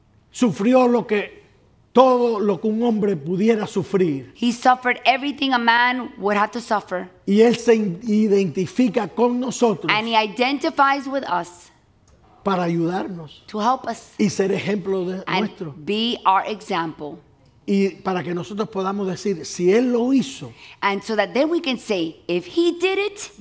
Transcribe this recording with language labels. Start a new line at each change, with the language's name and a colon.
Spanish: Sufrió lo que todo lo que un hombre pudiera sufrir.
English: He suffered everything a man would have to suffer.
Spanish: Y él se identifica con nosotros.
English: And he identifies with us.
Spanish: Para ayudarnos.
English: To help us.
Spanish: Y ser ejemplo de nuestro.
English: And be our example.
Spanish: Y para que nosotros podamos decir, si él lo hizo.
English: And so that then we can say, if he did it.